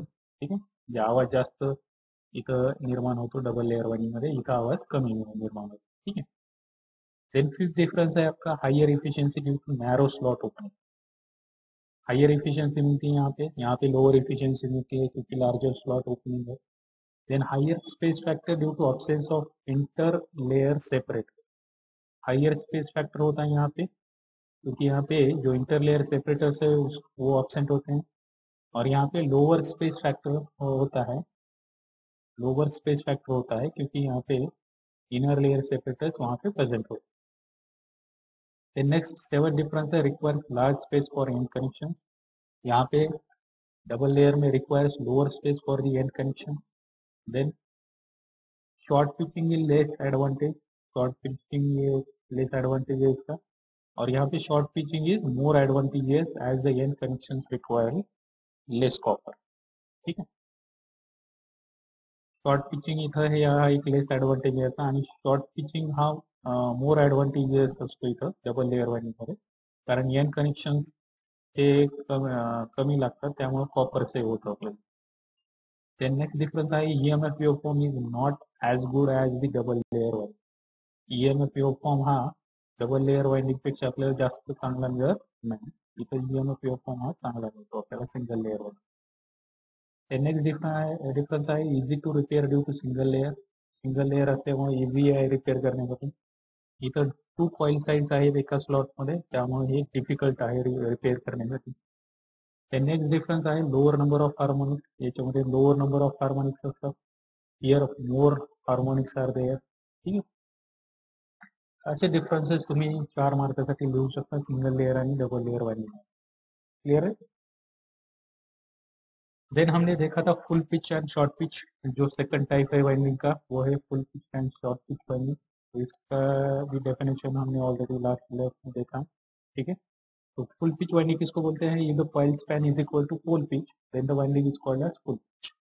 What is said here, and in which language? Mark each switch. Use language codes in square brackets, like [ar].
[mr] ठीक आहे, जे आवाज जास्त इथं निर्माण होतो डबल लेअर वाइंडिंग मध्ये, इथं आवाज कमी निर्माण होतो. [en] ठीक आहे, then fifth difference आहे आपका higher efficiency due to narrow slot opening. [mr] Higher efficiency मिळती आहे, यहाँ पे लोअर इफिशियन्सी मिळती आहे [hi] क्योंकि लार्जर स्लॉट ओपनिंग है. [en] Then higher space factor due to absence of inter layer separate. [hi] Higher space factor होता है यहाँ पे क्योंकि यहाँ पे जो इंटर लेयर सेपरेटर्स है वो ऑब्सेंट होते हैं, और यहाँ पे लोअर स्पेस फैक्टर होता है. लोअर स्पेस फैक्टर होता है क्योंकि यहाँ पे इनर लेयर सेपरेटर्स वहां पे प्रेजेंट होते हैं. [en] Next seven difference है requires large space for end connection. यहाँ पे डबल लेयर में requires lower space for the end connection. Then short pitching is less advantage. Short pitching less advantage है इसका, और यहाँ पे short pitching is more advantageous as the end connections require less copper. [mr] ठीक है, short pitching इथं हे एक लेस advantage आहे, आणि शॉर्ट पिचिंग हा मोर ॲडव्हान्टेजेस असतो इथं डबल लेअर वायरिंगमध्ये, कारण एन कनेक्शन्स हे कमी लागतात, त्यामुळे कॉपर सेव होतं आपल्याला. [en] Then next difference आहे, EMF waveform is not as good as the double layer wiring. [mr] EMF waveform हा डबल लेअर वायरिंग पेक्षा आपल्याला जास्त चांगला मिळत नाही, इथं EMF वेवफॉर्म हा चांगला मिळतो आपल्याला single layer wiring. [en] Then next difference आहे, easy to repair due to single layer. [mr] Single layer असल्यामुळे इझी आहे रिपेअर करण्यासाठी. इथं टू कॉइल साईज आहेत एका स्लॉट मध्ये, त्यामुळे हे डिफिकल्ट आहे रिपेअर करण्यासाठी. [en] Next difference आहे lower number of harmonics, याच्यामध्ये lower number of harmonics असतात, here more harmonics are there. [mr] ठीक आहे, असे डिफरन्सेस तुम्ही 4 मार्कासाठी लिहू शकता, सिंगल लेअर आणि डबल लेअर वाली. क्लिअर आहे. [hi] देन हमने देखा था full pitch and short pitch, जो सेकंड टाइप है वाइंडिंग का वो है full pitch and short pitch winding. इसका भी डेफिनेशन हमने ऑलरेडी लास्ट क्लास में देखा. ठीक है, तो फुल पिच वाइंडिंग किसको बोलते हैं, ये [en] The coil span is equal to full pitch, then the winding is called as full pitch.